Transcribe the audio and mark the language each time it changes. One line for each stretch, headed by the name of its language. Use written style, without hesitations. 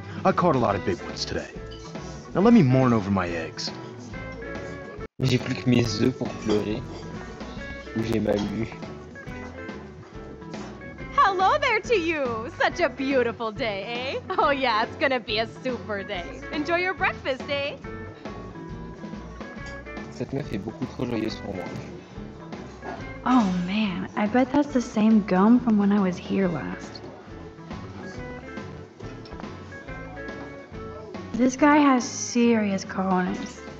English: I caught a lot of big ones today. Now let me mourn over my eggs.
French: J'ai plus que mes œufs pour pleurer. Ou j'ai mal lu.
English: Hello there to you! Such a beautiful day, eh? Oh yeah, it's gonna be a super day. Enjoy your breakfast, eh?
French: Cette meuf est beaucoup trop joyeuse pour moi.
English: Oh man, I bet that's the same gum from when I was here last. This guy has serious cojones.